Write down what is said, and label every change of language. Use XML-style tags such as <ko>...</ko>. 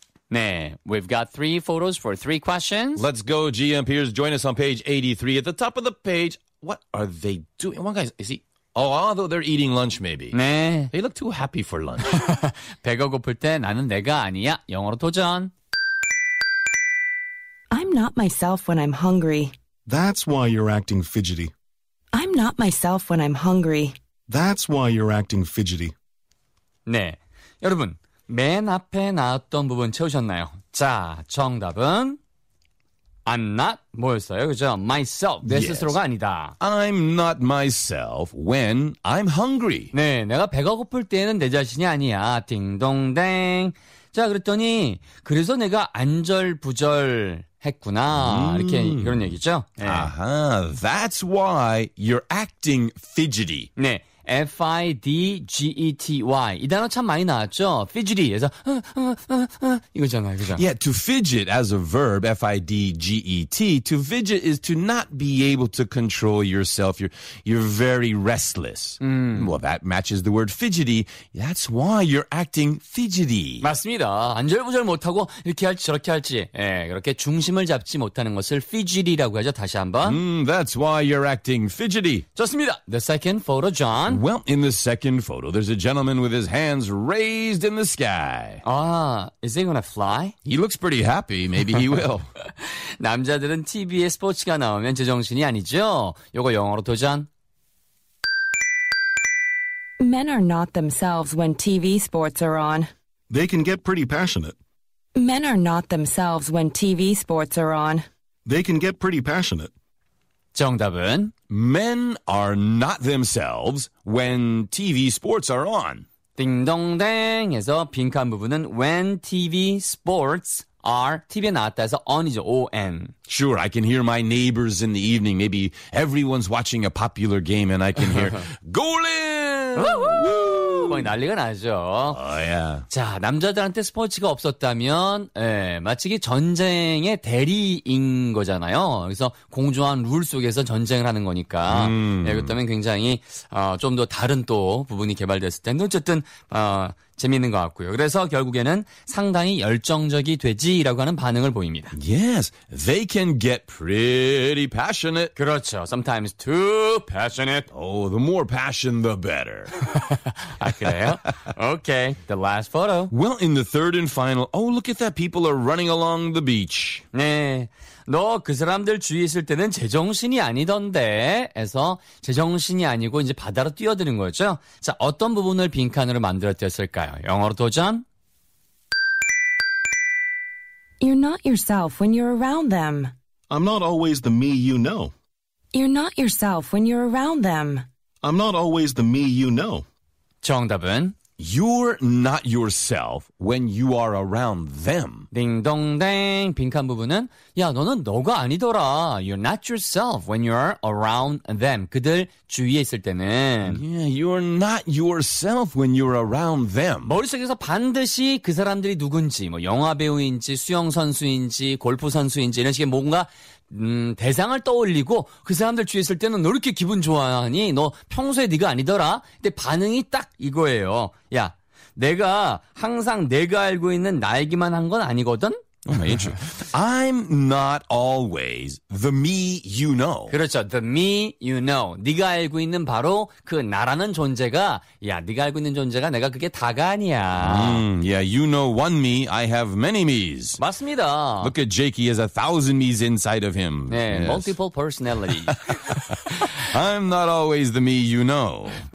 <en>Nah, we've got three photos for three questions. Let's go, GM Peters. Join us on page 83 at the top of the page. What are they doing? One guy, is he... Oh, although they're eating lunch, maybe.</en> <ko>네.</ko> <en>They look too happy for lunch.</en> <ko>배가 고플 때 나는 내가 아니야. 영어로 도전.</ko> <en>I'm not myself when I'm hungry. That's why you're acting fidgety. I'm not myself when I'm hungry. That's why you're acting fidgety.</en> <ko>네. 여러분, 맨 앞에 나왔던 부분 채우셨나요? 자, 정답은...</ko> <en>I'm not</en> <ko>뭐였어요? 그죠? Myself. 내</ko> <en>yes.</en> <ko>스스로가 아니다.</ko> <en>I'm not myself when I'm hungry.</en> <ko>네, 내가 배가 고플 때는 내 자신이 아니야. 딩동댕. 자, 그랬더니 그래서 내가 안절부절했구나. 이렇게 그런 얘기죠. 네.</ko> <en>Aha, that's why you're acting fidgety.</en> <ko>네, F-I-D-G-E-T-Y. 이 단어 참 많이 나왔죠? Fidgety. 그래서 이거잖아요. 그죠?</ko> <en>Yeah, to fidget as a verb, F-I-D-G-E-T. To fidget is to not be able to control yourself. You're very restless. Well, that matches the word fidgety. That's why you're acting fidgety.</en> <ko>맞습니다. 안절부절 못하고 이렇게 할지 저렇게 할지. 예, 그렇게 중심을 잡지 못하는 것을 fidgety라고 하죠. 다시 한번.</ko> <en>That's why you're acting fidgety. 좋습니다. The second photo, John. Well, in the second photo, there's a gentleman with his hands raised in the sky. Ah, is he gonna fly? He looks pretty happy. Maybe he will.</en> <ko>남자들은 TV에 스포츠가 나오면 제정신이 아니죠. 요거 영어로 도전.</ko> <en>Men are not themselves when TV sports are on. They can get pretty passionate. Men are not themselves when TV sports are on. They can get pretty passionate.</en> <ko>정답은</ko> <en>Men are not themselves when TV sports are on.</en> <ko>띵동댕에서 빈칸 부분은</ko> <en>when TV sports are</en> <ko>TV에 나왔다 해서 on이죠.</ko> <en>on. Sure, I can hear my neighbors in the evening. Maybe everyone's watching a popular game and I can hear Golin!</en> <ko>Woo! 거의 난리가 나죠.</ko> <en>Oh, yeah.</en> <ko>자, 남자들한테 스포츠가 없었다면 예, 마치 전쟁의 대리인 거잖아요. 그래서 공정한 룰 속에서 전쟁을 하는 거니까 예, 그렇다면 굉장히 좀 더 다른 또 부분이 개발됐을 텐데 어쨌든 재미있는 것 같고요. 그래서 결국에는 상당히 열정적이 되지라고 하는 반응을 보입니다.</ko> <en>Yes, they can get pretty passionate. 그렇죠. Sometimes too passionate. Oh, the more passion, the better.</en> <ko>아, 그래요?</ko> <en>Okay, the last photo. Well, in the third and final, oh, look at that. People are running along the beach.</en> <ko>네. 너 그 사람들 주위에 있을 때는 제정신이 아니던데 해서 제정신이 아니고 이제 바다로 뛰어드는 거죠. 자, 어떤 부분을 빈칸으로 만들었을까요? 영어로 도전.</ko> <en>You're not yourself when you're around them. I'm not always the me you know. You're not yourself when you're around them. I'm not always the me you know.</en> <ko>정답은</ko> <en>You're not yourself when you are around them.</en> <ko>딩동댕 빈칸 부분은 야 너는 너가 아니더라.</ko> <en>You're not yourself when you're around them.</en> <ko>그들 주위에 있을 때는</ko> <en>Yeah, you're not yourself when you're around them.</en> <ko>머릿속에서 반드시 그 사람들이 누군지 뭐 영화 배우인지 수영 선수인지 골프 선수인지 이런 식의 뭔가 대상을 떠올리고 그 사람들 주위에 있을 때는 너 이렇게 기분 좋아하니 너 평소에 네가 아니더라. 근데 반응이 딱 이거예요. 야, 내가 항상 내가 알고 있는 나이기만 한 건 아니거든.</ko> <en>I'm not always the me you know. 그렇죠. The me you know.</en> <ko>네가 알고 있는 바로 그 나라는 존재가 야, 네가 알고 있는 존재가 내가 그게 다가 아니야.</ko> <en>Yeah, you know one me. I have many me's.</en> <ko>맞습니다.</ko> <en>Look at Jake. He has a thousand me's inside of him. 네, yes. Multiple personality. I'm not always the me you know.</en>